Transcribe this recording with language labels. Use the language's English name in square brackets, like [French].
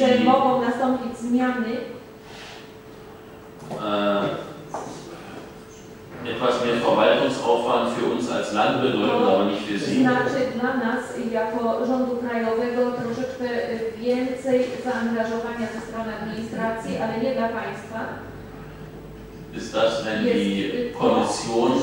[Polish] że mogą nastąpić zmiany, [German] etwas mehr Verwaltungsaufwand für uns als Land bedeutet, aber nicht für Sie. [Polish] Znaczy dla nas jako rządu krajowego troszeczkę więcej zaangażowania ze strony administracji, ale nie dla Państwa. [German] Ist das, wenn jest die Kommission,